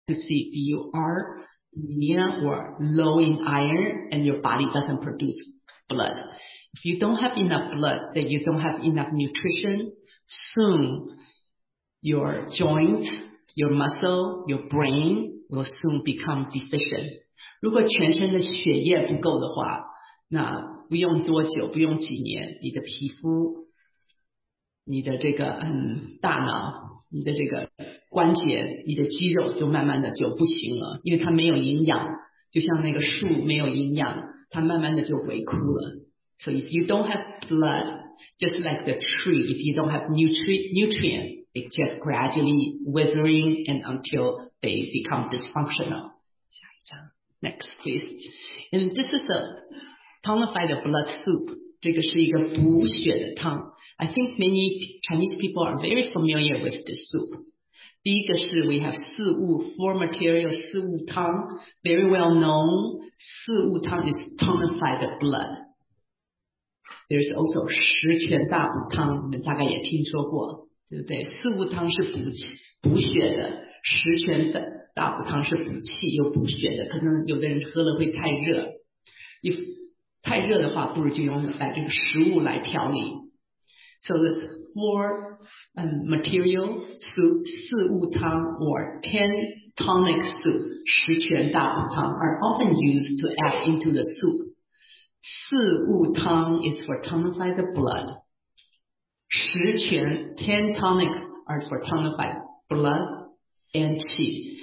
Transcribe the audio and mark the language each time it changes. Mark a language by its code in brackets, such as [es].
[en] to see if you are anemia or low in iron and your body doesn't produce blood. If you don't have enough blood, that you don't have enough nutrition, soon your joint, your muscle, your brain will soon become deficient. [zh] 如果全身的血液不够的话, 那不用多久,不用几年,你的皮肤, 你的这个大脑,你的这个关节,你的肌肉就慢慢的就不行了,因为它没有营养,就像那个树没有营养,它慢慢的就萎枯了。 [en] So if you don't have blood, just like the tree, if you don't have nutrient, it just gradually withering and until they become dysfunctional. Next, please. And this is a tonified blood soup. [zh] 这个是一个补血的汤. [en] I think many Chinese people are very familiar with this soup. [zh] 第一个是 [en] we have [zh] 四物, [en] four materials, [zh] 四物汤. [en] Very well known, 四物汤 is tonified blood. There's also [zh] 十全大补汤, 你们大概也听说过,对不对? 四物汤是补血的, 十全大补汤是补气又补血的, 可能有的人喝了会太热, 太热的话, 不如就用这个食物来调理。 [en] So the four material soup, 四物汤, or 10 tonic soup, 十全大补汤, are often used to add into the soup. 四物汤 is for tonified blood. 十全, 10 tonics are for tonified blood and qi.